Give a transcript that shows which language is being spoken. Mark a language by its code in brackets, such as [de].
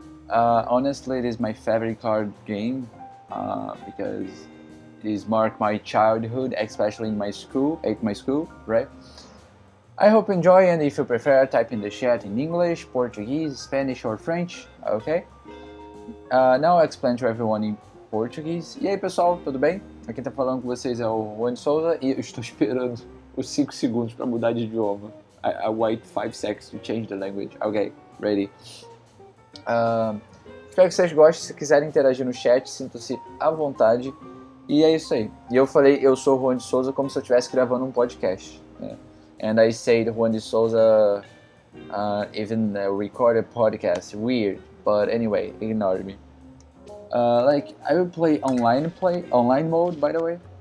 [en] Honestly, it is my favorite card game because it has marked my childhood, especially in my school, right? I hope you enjoy, and if you prefer, type in the chat in English, Portuguese, Spanish or French, okay? Now I'll explain to everyone in Português. [pt] E aí, pessoal, tudo bem? Aqui tá falando com vocês é o Juan Souza e eu estou esperando os 5 segundos para mudar de idioma. [en] I wait 5 seconds to change the language. Ok, ready. [pt] Espero que vocês gostem. Se quiserem interagir no chat, sinta-se à vontade. E é isso aí. E eu falei, eu sou o Juan Souza como se eu estivesse gravando um podcast. [en] Yeah. And I said Juan Souza even recorded podcast. Weird. But anyway, ignore me. Like, I will play online online mode, by the way.